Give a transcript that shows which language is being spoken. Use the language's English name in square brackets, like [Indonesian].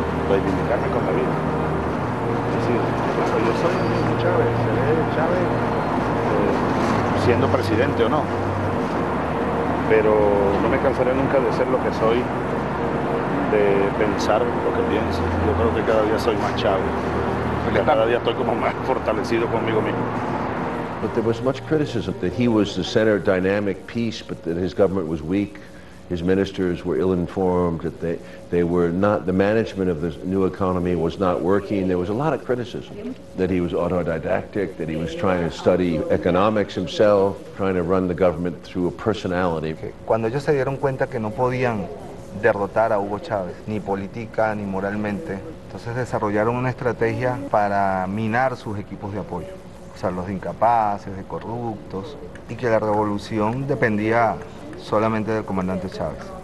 [Spanish] Reivindicarme con la vida. Es decir, claro, yo soy Chávez, seré Chávez siendo presidente o no. Pero no me cansaré nunca de ser lo que soy, de pensar lo que pienso. Yo creo que cada día soy más Chávez. [English] But there was much criticism that he was the center of dynamic peace, but that his government was weak, his ministers were ill-informed, that they were not, the management of the new economy was not working. There was a lot of criticism that he was autodidactic, that he was trying to study economics himself, trying to run the government through a personality. [Spanish] Cuando ellos se dieron cuenta que no podían derrotar a Hugo Chávez, ni política ni moralmente, entonces desarrollaron una estrategia para minar sus equipos de apoyo, o sea, los de incapaces, de corruptos, y que la revolución dependía solamente del comandante Chávez.